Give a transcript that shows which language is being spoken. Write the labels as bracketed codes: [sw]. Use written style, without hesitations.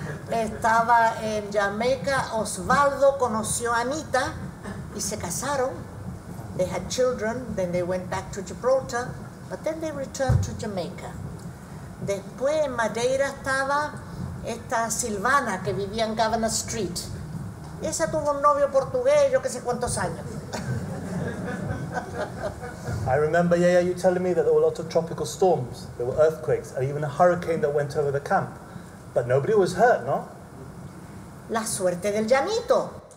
[es] Estaba en Jamaica, Osvaldo conoció a Anita y se casaron. [en] They had children, then they went back to Gibraltar, but then they returned to Jamaica. [es] Después en Madeira estaba esta Silvana que vivía en Governor Street. Esa tuvo un novio portugués, yo qué sé cuántos años. [en] I remember, Yaya, you telling me that there were lots of tropical storms, there were earthquakes, and even a hurricane that went over the camp. But nobody was hurt, no? [es] La suerte del llanito.